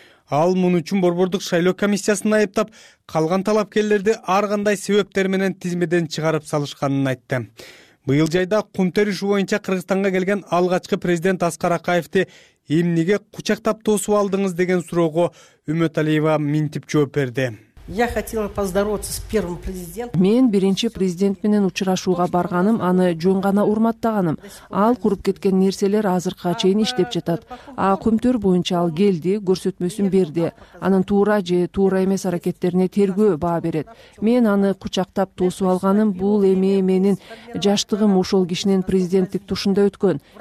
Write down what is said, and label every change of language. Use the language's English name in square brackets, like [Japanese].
[Kyrgyz] Ал муну үчүн борбордук шайлоо комиссиясын айыптап, калган талапкерлерди ар кандай себептер менен тизмеден чыгарып салышканын айтты. Быйыл жайда кум териши боюнча Кыргызстанга келген алгачкы президент Аскар Акаевди эмнеге кучактап тосуп алдыңыз деген суроого Үмөтәлиева минтип жооп берди. [Russian] Я хотела поздороваться с первым президентом. [Kyrgyz] Мен биринчи президент менен учурашууга барганым, аны жөн гана урматтаганым. Ал куруп кеткен нерселер азыркыга чейин иштеп жатат. А кумтөр боюнча ал келди, көрсөтмөсүн берди. Анын туура же туура эмес аракеттерине тергөө баа берет. Мен аны кучактап тосуп алганым, бул эми менин жаштыгым ошол кишинин президенттик тушунда өткөн,